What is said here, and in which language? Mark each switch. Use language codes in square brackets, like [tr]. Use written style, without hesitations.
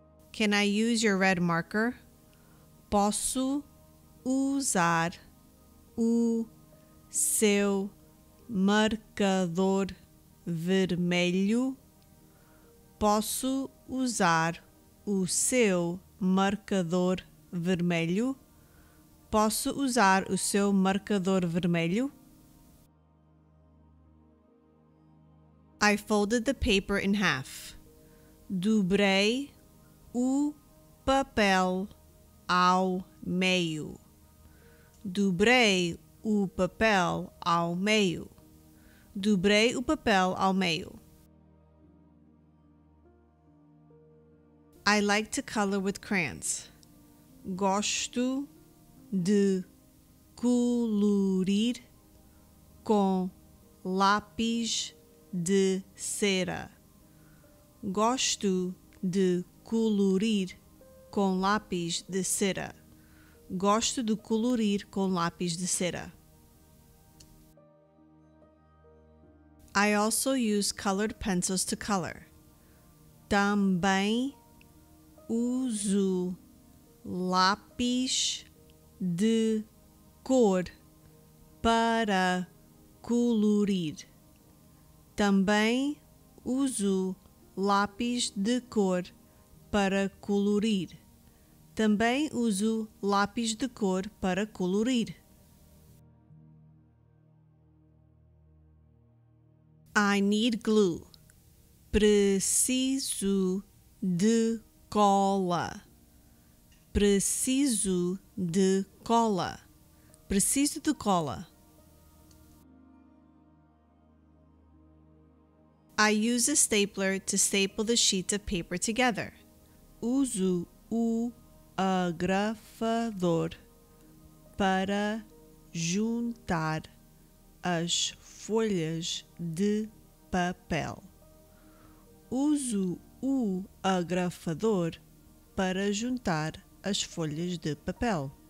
[en] Can I use your red marker? [pt] posso usar o seu marcador vermelho? Posso usar o seu marcador vermelho? Posso usar o seu marcador vermelho? [en] I folded the paper in half. [pt] Dobrei o papel ao meio. Dobrei o papel ao meio. Dobrei o papel ao meio. [en] I like to color with crayons. [pt] Gosto de colorir com lápis de cera. Gosto de colorir com lápis de cera. Gosto de colorir com lápis de cera. [en] I also use colored pencils to color. [pt] Também uso lápis de cor para colorir. Também uso lápis de cor para colorir. Também uso lápis de cor para colorir. [en] I need glue. [pt] Preciso de cola. Preciso de cola. Preciso de cola. [en] I use a stapler to staple the sheets of paper together. [pt] Uso o agrafador para juntar as folhas de papel. Uso o agrafador para juntar as folhas de papel.